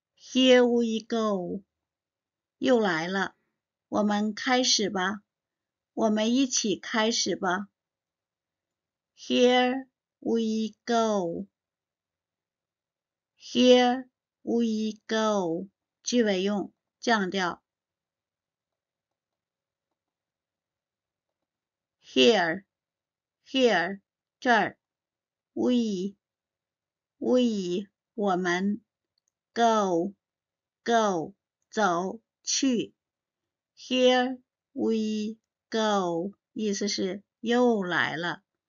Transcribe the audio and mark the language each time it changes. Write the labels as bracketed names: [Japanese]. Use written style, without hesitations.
[English] Here we go， [Chinese] 又来了，我们开始吧，我们一起开始吧。 [English] Here we go，Here we go， [Chinese] 句尾用降调。 Here，这儿，we，我们，go。 Go，走，去。 [English] Here we go， [Chinese] 意思是又来了。